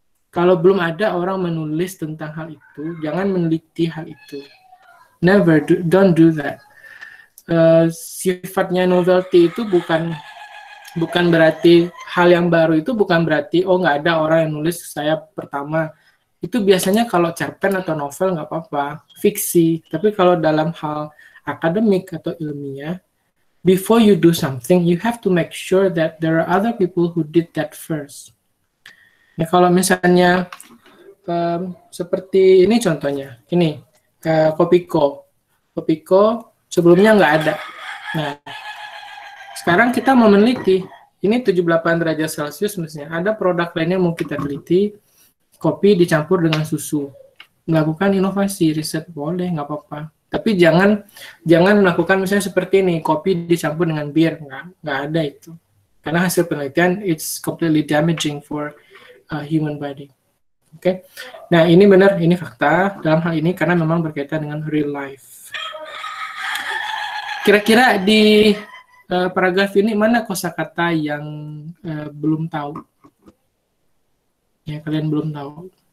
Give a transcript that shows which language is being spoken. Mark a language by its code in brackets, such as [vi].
[id] Kalau belum ada orang menulis tentang hal itu, jangan meneliti hal itu. [en] Don't do that. [id] Sifatnya novelty itu bukan berarti hal yang baru itu bukan berarti, oh, nggak ada orang yang nulis saya pertama. Itu biasanya kalau cerpen atau novel nggak apa-apa, fiksi. Tapi kalau dalam hal akademik atau ilmiah, [en] before you do something, you have to make sure that there are other people who did that first. [id] Nah, kalau misalnya seperti ini contohnya, ini Kopiko sebelumnya nggak ada. Nah, sekarang kita mau meneliti, ini 78 derajat Celcius misalnya, ada produk lainnya mau kita teliti, kopi dicampur dengan susu. Melakukan inovasi, riset boleh, nggak apa-apa. Tapi jangan melakukan misalnya seperti ini, kopi dicampur dengan bir, nggak ada itu. Karena hasil penelitian, [en] it's completely damaging for human body. Oke. Okay? [id] Nah, ini benar, ini fakta dalam hal ini karena memang berkaitan dengan [en] real life. [id] Kira-kira di paragraf ini mana kosakata yang belum tahu? Ya, kalian belum tahu.